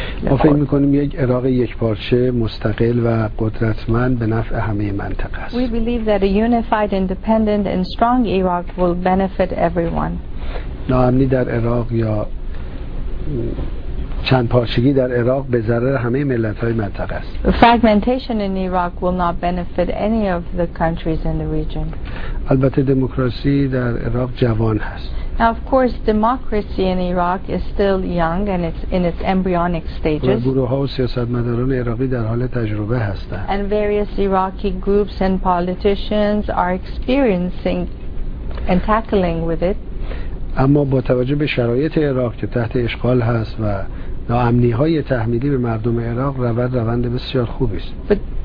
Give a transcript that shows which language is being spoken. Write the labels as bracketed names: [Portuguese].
[Persian] ما فکر میکنیم یک عراق یک پارچه مستقل و قدرتمند به نفع همه منطقه است. [English] We believe that a unified, independent and strong Iraq will benefit everyone. [Persian] ناامنی در عراق یا چند پارچگی در عراق به ضرر همه ملت‌های منطقه است. [English] Fragmentation in Iraq will not benefit any of the countries in the region. [Persian] البته دموکراسی در عراق جوان است. [English] Now, of course, democracy in Iraq is still young and it's in its embryonic stages. [Persian] گروه‌ها و سیاستمداران عراقی در حال تجربه هستند. [English] And various Iraqi groups and politicians are experiencing and tackling with it. [Persian] اما با توجه به شرایط عراق که تحت اشغال هست و ناامنی‌های تحمیلی به مردم عراق روند بسیار خوبی است.